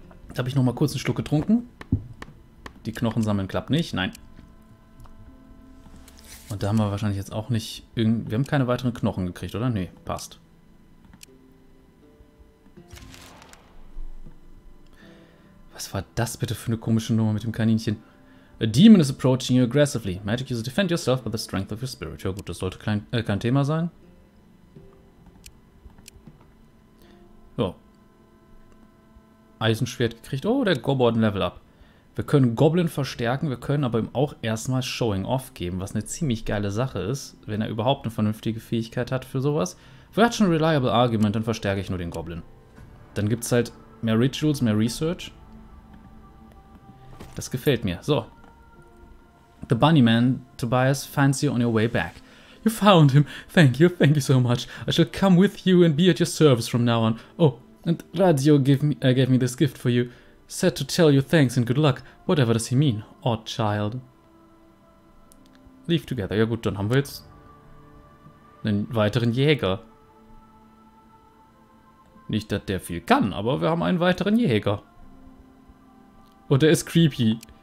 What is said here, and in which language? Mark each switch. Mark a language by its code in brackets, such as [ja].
[de] Da habe ich noch mal kurz einen Schluck getrunken. Die Knochen sammeln klappt nicht, nein. Und da haben wir wahrscheinlich jetzt auch nicht irgendwie. Wir haben keine weiteren Knochen gekriegt, oder? Nee, passt. Was war das bitte für eine komische Nummer mit dem Kaninchen? [en] A demon is approaching you aggressively. Magic user, defend yourself by the strength of your spirit. [de] Ja gut, das sollte kein Thema sein. So. Eisenschwert gekriegt. Oh, der Goblin hat ein Level up. Wir können Goblin verstärken, wir können aber ihm auch erstmal Showing Off geben, was eine ziemlich geile Sache ist, wenn er überhaupt eine vernünftige Fähigkeit hat für sowas. Wer hat schon ein reliable argument, dann verstärke ich nur den Goblin. Dann gibt es halt mehr Rituals, mehr Research. Das gefällt mir. So. [en] The bunny man, Tobias, finds you on your way back. You found him. Thank you so much. I shall come with you and be at your service from now on. Oh, and Radio gave me this gift for you. Said to tell you thanks and good luck. Whatever does he mean, odd child? Leave together. [de] Ja gut, dann haben wir jetzt einen weiteren Jäger. Nicht, dass der viel kann, aber wir haben einen weiteren Jäger. Und der ist creepy.